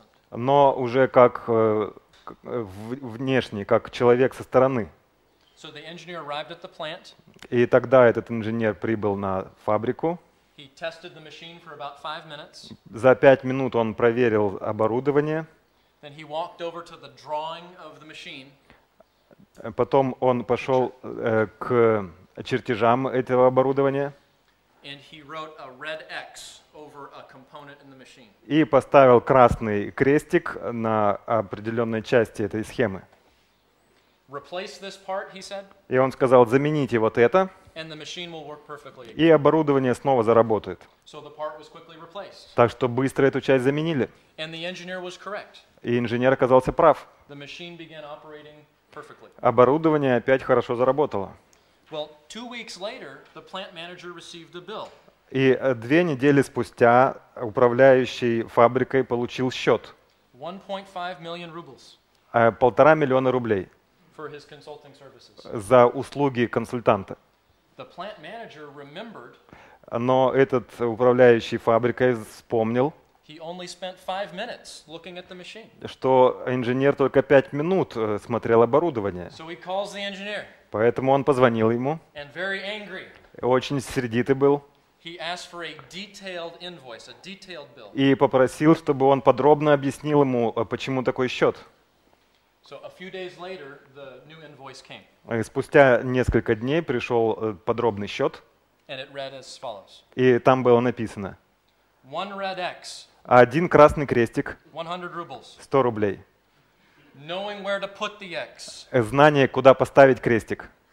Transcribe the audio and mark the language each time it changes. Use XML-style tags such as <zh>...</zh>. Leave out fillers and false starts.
<ru>Но уже как внешний, как человек со стороны.</ru> <en>So the engineer arrived at the plant.</en> <ru>И тогда этот инженер прибыл на фабрику.</ru> <en>He tested the machine for about 5 minutes.</en> <ru>За 5 минут он проверил оборудование.</ru> <en>Then he walked over to the drawing of the machine.</en> <ru>Потом он пошел к чертежам этого оборудования.</ru> <en>And he wrote a red X over a component in the machine.</en> <ru>И поставил красный крестик на определенной части этой схемы.</ru> <en>Replace this part, he said.</en> <ru>И он сказал, замените вот это.</ru> <en>And the machine will work perfectly again.</en> <ru>И оборудование снова заработает.</ru> <en>So the part was quickly replaced.</en> <ru>Так что быстро эту часть заменили.</ru> <en>And the engineer was correct.</en> <ru>И инженер оказался прав.</ru> <en>The machine began operating perfectly.</en> <ru>Оборудование опять хорошо заработало.</ru> <en>Well, 2 weeks later, the plant manager received a bill.</en> <ru>И 2 недели спустя управляющий фабрикой получил счет.</ru> <en>1.5 million rubles.</en> <ru>1.5 миллиона рублей.</ru> <en>For his consulting services.</en> <ru>За услуги консультанта.</ru> <en>The plant manager remembered.</en> <ru>Но этот управляющий фабрикой вспомнил.</ru> <en>He only spent 5 minutes looking at the machine.</en> <ru>Что инженер только 5 минут смотрел оборудование.</ru> <en>So he calls the engineer.</en> <ru>Поэтому он позвонил ему.</ru> <en>And very angry.</en> <ru>Очень сердитый был.</ru> <en>He asked for a detailed invoice, a detailed bill.</en> <ru>И попросил, чтобы он подробно объяснил ему, почему такой счет.</ru> <en>So a few days later, the new invoice came.</en> <ru>Спустя несколько дней пришел подробный счет.</ru> <en>And it read as follows.</en> <ru>И там было написано.</ru> <en>One red X.</en> <ru>Один красный крестик.</ru> <en>100 rubles.</en> <ru>100 рублей.</ru> <en>Knowing where to put the X.</en> <ru>Знание, куда поставить крестик.</ru>